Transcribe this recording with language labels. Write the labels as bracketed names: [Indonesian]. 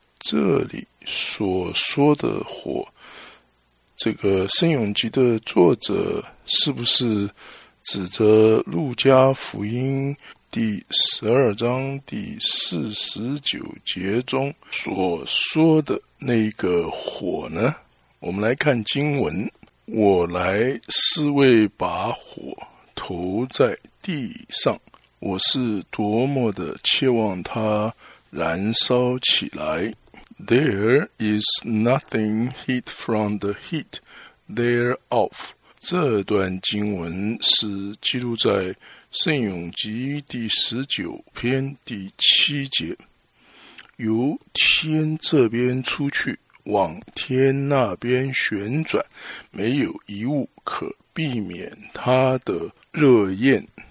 [Chinese] 这里所说的火，这个圣咏集的作者是不是指着路加福音第12章第49节中所说的那个火呢？我们来看经文，我来是为把火投在地上，我是多么的切望它燃烧起来。 [English] There is nothing hid from the heat thereof. [Chinese] 这段经文是记录在圣咏集第19篇第7节，由天这边出去，往天那边旋转，没有一物可避免它的热焰。